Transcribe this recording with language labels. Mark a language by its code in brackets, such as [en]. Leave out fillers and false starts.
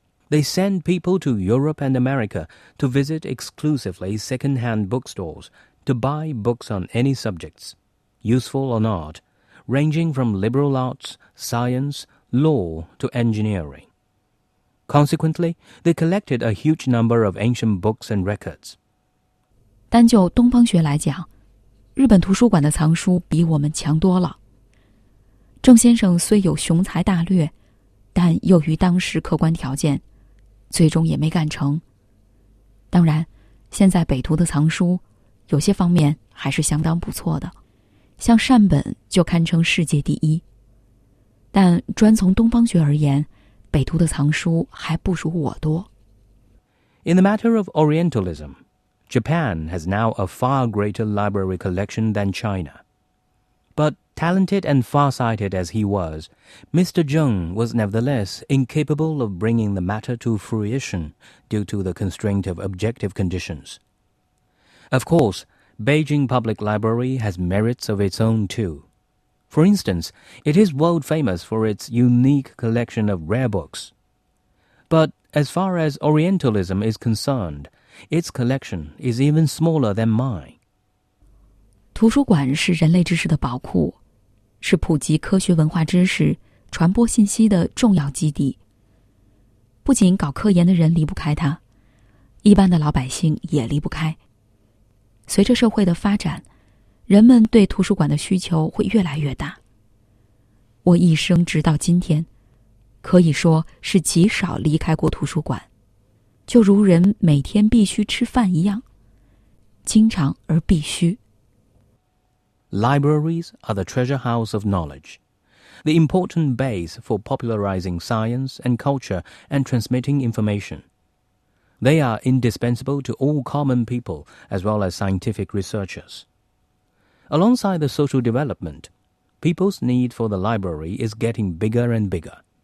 [en] They send people to Europe and America to visit exclusively second-hand bookstores to buy books on any subjects. Useful or not, ranging from liberal arts, science, law, to engineering. Consequently, they collected a huge number of ancient books and records. [zh] 单就东方学来讲，日本图书馆的藏书比我们强多了。郑先生虽有雄才大略，但由于当时客观条件，最终也没干成。当然，现在北图的藏书，有些方面还是相当不错的。像善本就堪称世界第一，但专从东方学而言，北图的藏书还不如我多。 [en] In the matter of Orientalism, Japan has now a far greater library collection than China. But talented and far-sighted as he was, Mr. Zheng was nevertheless incapable of bringing the matter to fruition due to the constraint of objective conditions. Of course,Beijing Public Library has merits of its own, too. For instance, it is world famous for its unique collection of rare books. But as far as Orientalism is concerned, its collection is even smaller than mine. [zh] 图书馆是人类知识的宝库，是普及科学文化知识、传播信息的重要基地。不仅搞科研的人离不开它，一般的老百姓也离不开。随着社会的发展，人们对图书馆的需求会越来越大。我一生直到今天，可以说是极少离开过图书馆，就如人每天必须吃饭一样，经常而必须。 [en] Libraries are the treasure house of knowledge. the important base for popularizing science and culture and transmitting information. They are indispensable to all common people as well as scientific researchers. Alongside the social development, people's need for the library is getting bigger and bigger.